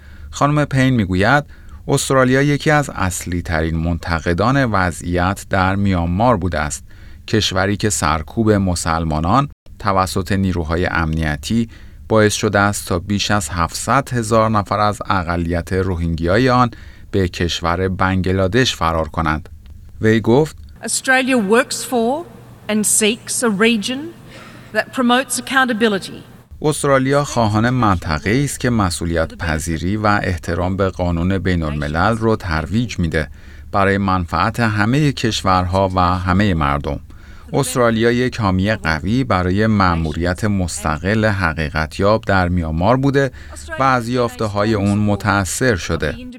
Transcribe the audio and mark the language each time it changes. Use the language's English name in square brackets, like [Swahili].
[Persian] خانم پین میگوید استرالیا یکی از اصلی ترین منتقدان وضعیت در میانمار بوده است، کشوری که سرکوب مسلمانان توسط نیروهای امنیتی باعث شده است تا بیش از 700 هزار نفر از اقلیت روهینگیای آن به کشور بنگلادش فرار کنند. وی گفت [English] استرالیا works for and seeks a region that promotes accountability. [Persian] استرالیا خواهان منطقه است که مسئولیت پذیری و احترام به قانون بین الملل را ترویج می ده برای منفعت همه کشورها و همه مردم. استرالیا یک حامی قوی برای مأموریت مستقل حقیقتیاب در میانمار بوده و از یافته های اون متأثر شده.